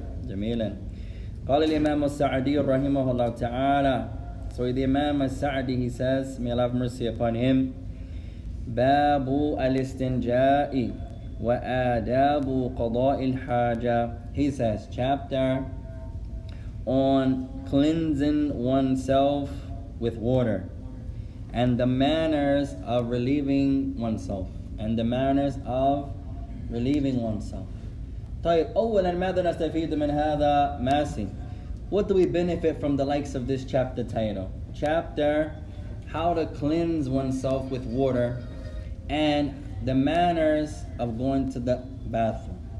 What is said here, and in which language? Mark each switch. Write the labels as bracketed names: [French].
[Arabic] جميلا قال الإمام السعدي رحمه الله تعالى [English] So the Imam Al-Saadi he says May Allah have mercy upon him [Arabic] باب الاستنجاء وَآدَابُ قَضَاءِ الْحَاجَةِ [English] He says, chapter on cleansing oneself with water and the manners of relieving oneself and the manners of relieving oneself. [Arabic] طيب أولاً ماذا نستفيد من هذا ماسي? [English] What do we benefit from the likes of this chapter title? Chapter, how to cleanse oneself with water and the manners of going to the bathroom.